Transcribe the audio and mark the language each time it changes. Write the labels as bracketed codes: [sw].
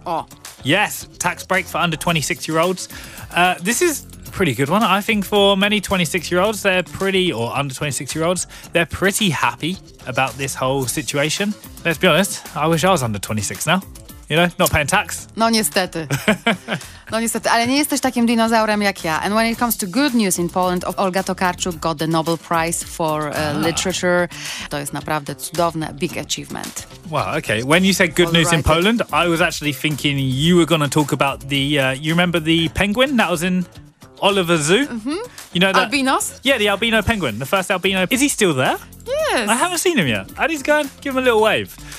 [en] Oh. Yes, tax break for under 26-year-olds. This is a pretty good one. I think for many 26-year-olds, they're pretty, or under 26-year-olds, they're pretty happy about this whole situation. Let's be honest, I wish I was under 26 now. You know, not paying tax. [pl] No, niestety. No niestety, ale nie jesteś takim dinozaurem jak ja. [en] And when it comes to good news in Poland, Olga Tokarczuk got the Nobel Prize for Literature. [pl] To jest naprawdę cudowne, [en] big achievement. Wow, okay. When you said good news in Poland, I was actually thinking you were going to talk about the, you remember the penguin that was in Oliver Zoo. Mm-hmm. You know that? Albinos? Yeah, the albino penguin, the first albino. Is he still there? Yes. I haven't seen him yet. I need to go and give him a little wave.